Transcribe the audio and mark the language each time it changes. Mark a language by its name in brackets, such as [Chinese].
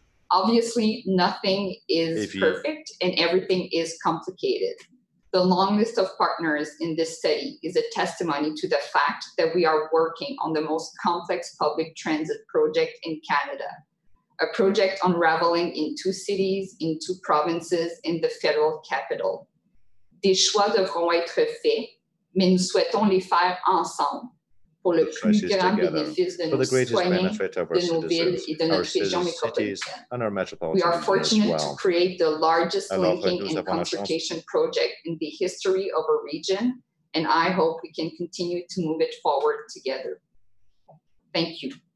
[English] Obviously, nothing is perfect and everything is complicated. The long list of partners in this study is a testimony to the fact that we are working on the most complex public transit project in Canada, a project unraveling in two cities, in two provinces, in the federal capital. [French] Des choix devront être faits, mais nous souhaitons les faire ensemble. [English] For the greatest benefit of our citizens, our cities, and our metropolitan. We are fortunate to create the largest linking and transportation project in the history of a region, and I hope we can continue to move it forward together. Thank you.